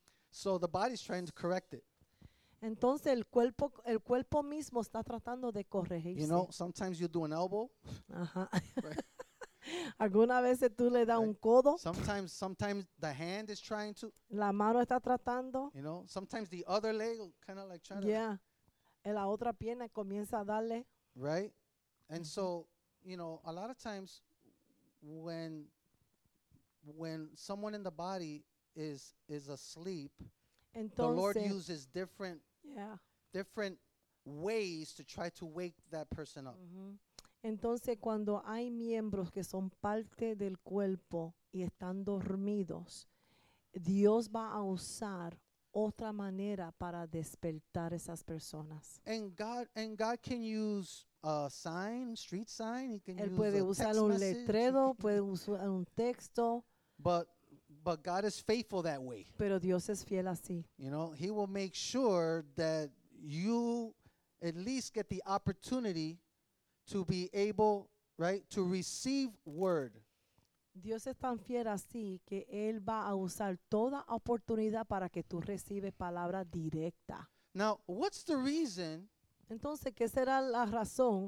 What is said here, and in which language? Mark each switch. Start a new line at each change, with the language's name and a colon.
English: So the body's trying to correct it.
Spanish: Entonces el cuerpo mismo está tratando de corregirse.
English: You know, sometimes you do an elbow.
Spanish: Alguna vez tú le das un codo.
English: Sometimes the hand is trying to.
Spanish: La mano está tratando.
English: You know, sometimes the other leg kind of like trying. Yeah.
Spanish: En la otra pierna comienza a darle.
English: Right. And so, you know, a lot of times when someone in the body is asleep,
Spanish: entonces,
English: the Lord uses different, yeah, different ways to try to wake that person up.
Spanish: Entonces, cuando hay miembros que son parte del cuerpo y están dormidos, Dios va a usar otra manera para despertar esas personas.
English: And God can use a sign, street sign. He can
Spanish: Él
English: use
Spanish: puede
English: a
Spanish: usar
English: text
Spanish: un
English: message.
Spanish: Letrero, puede usar un texto.
English: But God is faithful that way.
Spanish: Pero Dios es fiel así.
English: You know, He will make sure that you at least get the opportunity to be able, right, to receive word.
Spanish: Dios es tan fiel así que Él va a usar toda oportunidad para que tú recibes palabra directa.
English: Now, what's the reason?
Spanish: Entonces, ¿qué será la razón?